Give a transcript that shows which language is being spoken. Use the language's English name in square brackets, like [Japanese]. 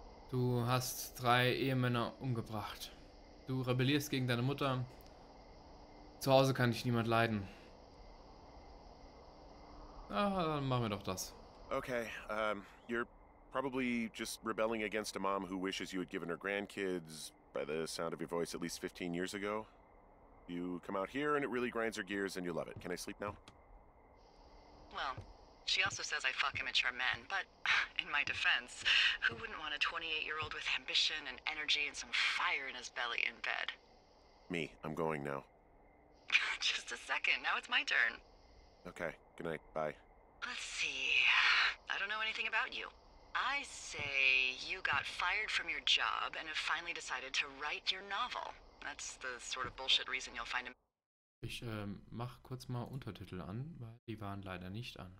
[German] Du hast 3 Ehemänner umgebracht. Du rebellierst gegen deine Mutter. Zu Hause kann dich niemand leiden. Ah, dann machen wir doch das. [English] Okay, you're probably just rebelling against a mom who wishes you had given her grandkids, by the sound of your voice, at least 15 years ago. You come out here and it really grinds her gears and you love it. Can I sleep now? Well, she also says I fuck immature men, but in my defense, who wouldn't want a 28-year-old with ambition and energy and some fire in his belly in bed? Me, I'm going now. Just a second, now it's my turn. Okay, good night, bye. Let's see. I don't know anything about you. I say you got fired from your job and have finally decided to write your novel. That's the sort of bullshit reason you'll find him. [German] Ich mach kurz mal Untertitel an, weil die waren leider nicht an.